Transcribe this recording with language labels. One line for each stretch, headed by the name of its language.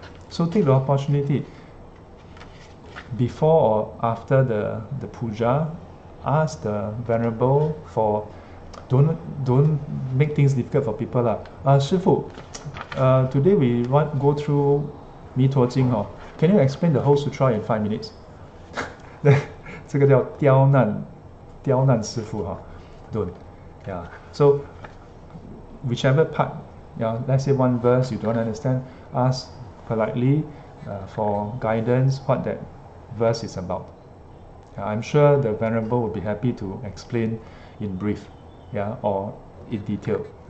English: So take the opportunity before or after the puja. Ask the venerable for, don't make things difficult for people lah. Shifu, today we want go through Mi Tuo Jing . Can you explain the whole sutra in 5 minutes?
Chinese: 这个叫刁难师傅哈，对呀。
English: So whichever part, let's say one verse you don't understand, ask politely for guidance what that verse is about. I'm sure the venerable will be happy to explain in brief, or in detail.